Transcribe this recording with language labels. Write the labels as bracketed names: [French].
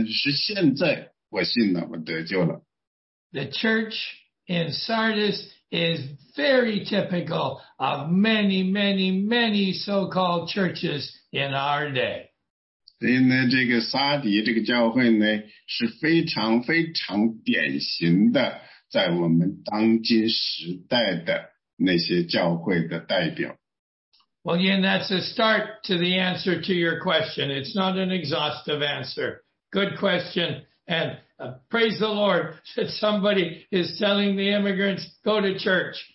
[Chinese] 所以呢，他说呢，我其实有点失望，因为呢，当时呢，那些人给我施洗的人呢，他们甚至都不知道，我从内心呢并没有信，但是我感到兴奋和激动的呢，是现在我信了，我得救了。 [English] The church in Sardis is very typical of many, many, many so-called churches in our day. [Chinese] 所以呢，这个撒迪这个教会呢，是非常非常典型的，在我们当今时代的那些教会的代表。Well, [English] again, that's a start to the answer to your question. It's not an exhaustive answer. Good question. And praise the Lord that somebody is telling the immigrants, go to church.